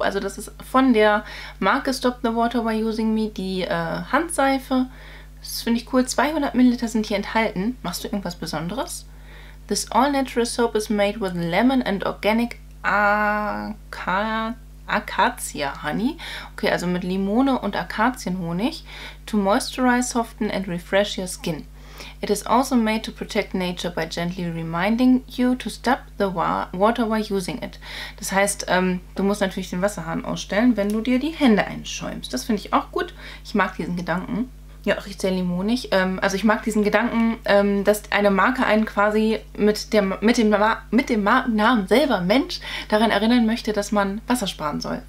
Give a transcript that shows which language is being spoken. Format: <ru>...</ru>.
<de>Also das ist von der Marke Stop the water while using me. Die Handseife. Das finde ich cool. 200 Milliliter sind hier enthalten. Machst du irgendwas Besonderes?</de> <en>This all natural soap is made with lemon and organic Acacia honey.</en> <de>Okay, also mit Limone und Akazienhonig.</de> <en>To moisturize, soften and refresh your skin. It is also made to protect nature by gently reminding you to stop the water while using it.</en> <de>Das heißt, du musst natürlich den Wasserhahn ausstellen, wenn du dir die Hände einschäumst. Das finde ich auch gut. Ich mag diesen Gedanken. Ja, riecht sehr limonig. Also ich mag diesen Gedanken, dass eine Marke einen quasi mit dem Markennamen selber, Mensch, daran erinnern möchte, dass man Wasser sparen soll.</de>